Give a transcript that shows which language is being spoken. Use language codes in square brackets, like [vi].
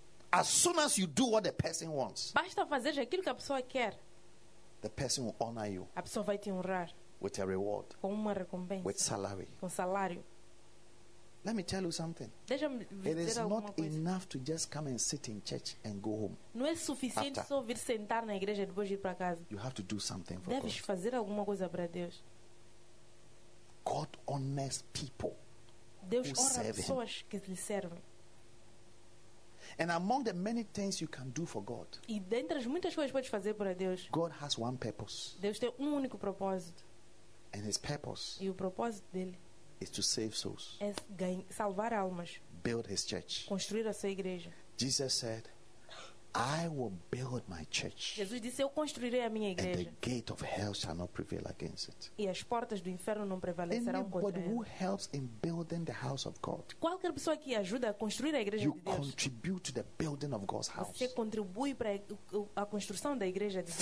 [en] As soon as you do what the person wants. [pt] Basta fazer aquilo que a pessoa quer. [en] The person will honor you. [pt] A pessoa vai te honrar. [en] With a reward. [pt] Com uma recompensa. [en] With salary. [pt] Com salário. [en] Let me tell you something. [pt] Deixa-me dizer alguma coisa. [en] It is not enough to just come and sit in church and go home. [pt] Não é suficiente só vir sentar na igreja e depois ir para casa. [en] You have to do something for [pt] Deves [en] God. [pt] Deves fazer alguma coisa para Deus. [en] God honors people. [pt] Deus honra pessoas que lhe servem. [en] And among the many things you can do for God. [pt] E dentre as muitas coisas podes fazer para Deus. [en] God has one purpose. [pt] Deus tem um único propósito. [en] And his purpose. [pt] E o propósito dele. [en] Is to save souls. [pt] É salvar almas. [en] Build his church. [pt] Construir a sua igreja. [en] Jesus said, I will build my church. [pt] Jesus disse, eu construirei a minha igreja. [en] And the gate of hell shall not prevail against it. [pt] E as portas do inferno não prevalecerão contra ela. [en] Anybody who helps in building the house of God. [pt] Qualquer pessoa que ajuda a construir a igreja de Deus. [en] You contribute to the building of God's house. [pt] Você contribui para a construção da igreja de Deus.